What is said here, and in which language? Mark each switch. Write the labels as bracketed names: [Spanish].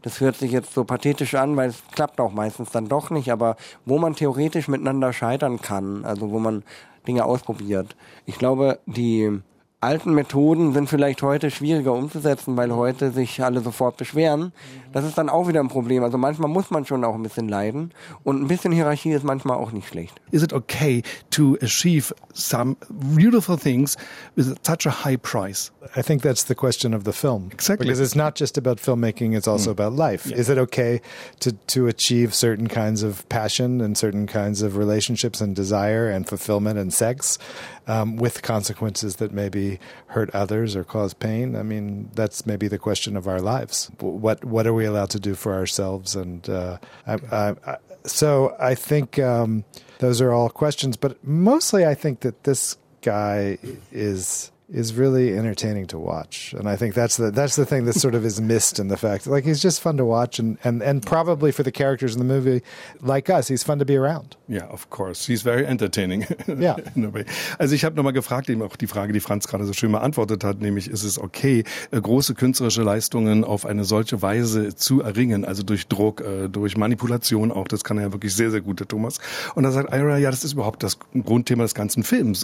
[German] Das hört sich jetzt so pathetisch an, weil es klappt auch meistens dann doch nicht, aber wo man theoretisch miteinander scheitern kann, also wo man Dinge ausprobiert. Ich glaube, die alten Methoden sind vielleicht heute schwieriger umzusetzen, weil heute sich alle sofort beschweren. Das ist dann auch wieder ein Problem. Also manchmal muss man schon auch ein bisschen leiden und ein bisschen Hierarchie ist manchmal auch nicht schlecht. [English] Is it okay to achieve some beautiful things with such a high price? I think that's the question of the film. Exactly. Because it's not just about filmmaking, it's also about life. Yeah. Is it okay to achieve certain kinds of passion and certain kinds of relationships and desire and fulfillment and sex with consequences that maybe hurt others or cause pain? I mean, that's maybe the question of our lives. What are we allowed to do for ourselves? And I think those are all questions. But mostly, I think that this guy is really entertaining to watch. And I think that's the thing that sort of is missed in the fact. Like, he's just fun to watch. And probably for the characters in the movie, like us, he's fun to be around. Yeah, of course. He's very entertaining. Yeah. In a way. [German] Also ich habe nochmal gefragt, eben auch die Frage, die Franz gerade so schön beantwortet hat, nämlich, ist es okay, große künstlerische Leistungen auf eine solche Weise zu erringen, also durch Druck, durch Manipulation auch. Das kann er ja wirklich sehr, sehr gut, der Thomas. Und da sagt Ira, ja, das ist überhaupt das Grundthema des ganzen Films.